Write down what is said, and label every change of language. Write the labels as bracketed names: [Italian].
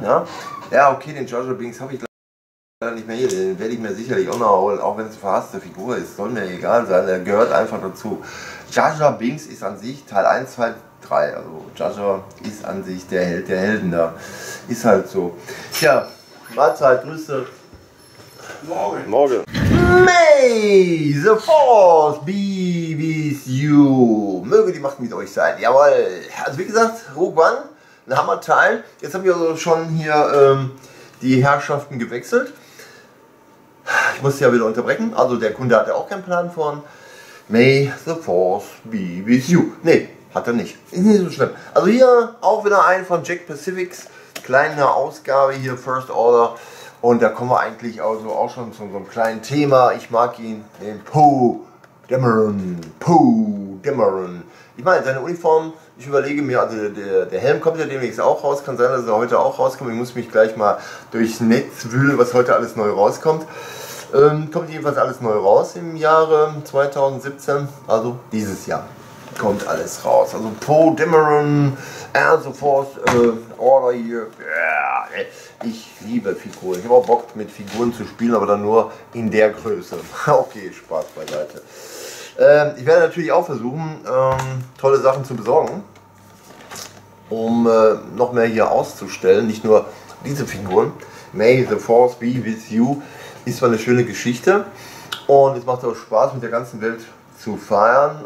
[German] Ja, ja, okay, den Jar Jar Binks habe ich leider nicht mehr hier, den werde ich mir sicherlich auch noch holen, auch wenn es eine verhasste Figur ist, soll mir egal sein, der gehört einfach dazu. Jar Jar Binks ist an sich Teil 1, 2, 3, also Jar Jar ist an sich der Held der Helden da, ist halt so. Tja, Mahlzeit, Grüße. Morgen. [English] May the Force be with you. [German] Möge die Macht mit euch sein. Jawohl. Also wie gesagt, Rogue One, ein Hammerteil. Jetzt haben wir also schon hier die Herrschaften gewechselt. Ich muss ja wieder unterbrechen. Also der Kunde hatte auch keinen Plan von. [English] May the Force be with you. [German] Nee, hat er nicht. Ist nicht so schlimm. Also hier auch wieder ein von Jack Pacifics. Kleine Ausgabe hier, First Order. Und da kommen wir eigentlich also auch schon zu unserem kleinen Thema. Ich mag ihn, den Poe Dameron. Poe Dameron. Ich meine, seine Uniform, ich überlege mir, also der Helm kommt ja demnächst auch raus. Kann sein, dass er heute auch rauskommt. Ich muss mich gleich mal durchs Netz wühlen, was heute alles neu rauskommt. Kommt jedenfalls alles neu raus im Jahre 2017. Also dieses Jahr kommt alles raus. Also Poe Dameron, Air the Force, Order hier. Yeah. Ich liebe Figuren. Ich habe auch Bock, mit Figuren zu spielen, aber dann nur in der Größe. Okay, Spaß beiseite. Ich werde natürlich auch versuchen, tolle Sachen zu besorgen, um noch mehr hier auszustellen. Nicht nur diese Figuren. [English] May the Force be with you. [German] Ist zwar eine schöne Geschichte. Und es macht auch Spaß, mit der ganzen Welt zu feiern.